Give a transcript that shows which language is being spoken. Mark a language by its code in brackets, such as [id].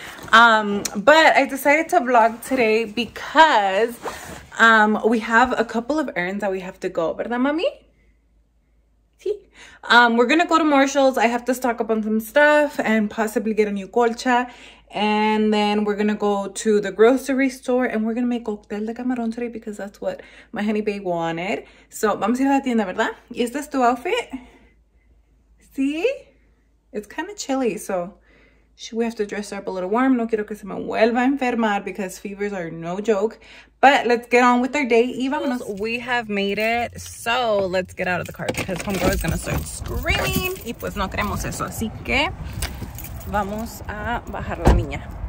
[en] But I decided to vlog today because we have a couple of errands that we have to go, [es] ¿verdad, mami? Sí. [en] We're gonna go to Marshall's. I have to stock up on some stuff and possibly get a new colcha. And then we're gonna go to the grocery store and we're gonna make cocktail de camarón today because that's what my honey babe wanted. [es] So vamos a ir a la tienda, ¿verdad? ¿Y este es tu outfit? ¿Sí? [en] It's kind of chilly, so should we have to dress up a little warm? [es] No quiero que se me vuelva a enfermar [en] because fevers are no joke. But let's get on with our day. [es] Y vámonos. [en] We have made it. So let's get out of the car because homegirl is gonna start screaming. [es] Y pues no queremos eso, así que vamos a bajar la niña.